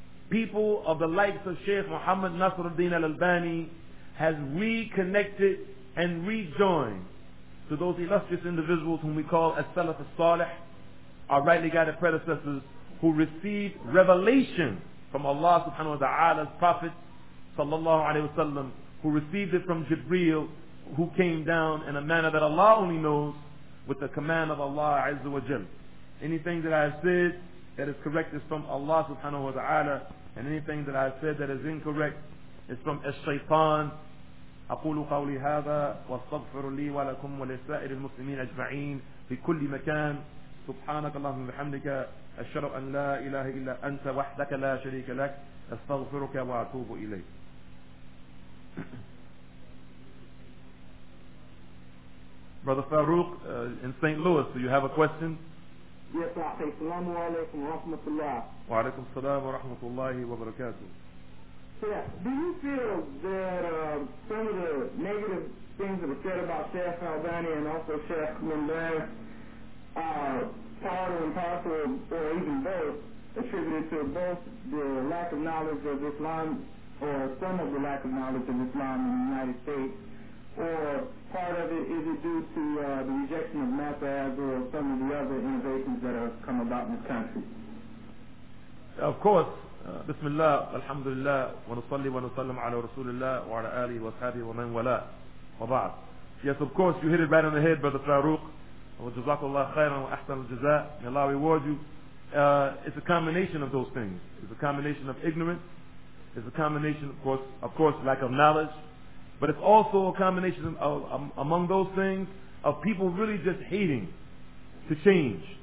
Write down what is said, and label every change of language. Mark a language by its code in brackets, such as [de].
[en] people of the likes of Shaykh Muhammad Nasruddin Al-Albani has reconnected and rejoined to those illustrious individuals whom we call As-Salaf As-Salih, our rightly guided predecessors, who received revelation from Allah subhanahu wa ta'ala's Prophet sallallahu alayhi wa sallam, who received it from Jibreel, who came down in a manner that Allah only knows, with the command of Allah Azza wa Jal. Anything that I have said that is correct is from Allah subhanahu wa ta'ala, and anything that I have said that is incorrect is from as-shaytan. [ar] أقول قولي هذا واستغفر لي ولكم ولسائر المسلمين أجمعين في كل مكان سبحانك اللهم وبحمدك أشهد أن لا إله إلا أنت وحدك لا شريك لك أستغفرك وأتوب إليك. [en] Brother Farooq in St. Louis, do you have a question? Yes, [ar] أخي. السلام عليكم ورحمة الله. وعليكم السلام ورحمة الله وبركاته. [en] Yeah. Do you feel that some of the negative things that were said about Sheikh Albani and also Sheikh Mimbar are part and parcel, or even both, attributed to both the lack of knowledge of Islam, or some of the lack of knowledge of Islam in the United States, or part of it, is it due to the rejection of Mathaz or some of the other innovations that have come about in this country? Of course. [ar] بسم الله الحمد لله ونصلي ونسلم على رسول الله وعلى آله وصحبه ومن ولا وبعد. [en] Yes, of course, you hit it right on the head, Brother Farooq. [ar] Jazakallah khairan wa ahsan al-jaza. [en] May Allah reward you. It's a combination of those things. It's a combination of ignorance. It's a combination, of course, lack of knowledge. But it's also a combination of among those things of people really just hating to change.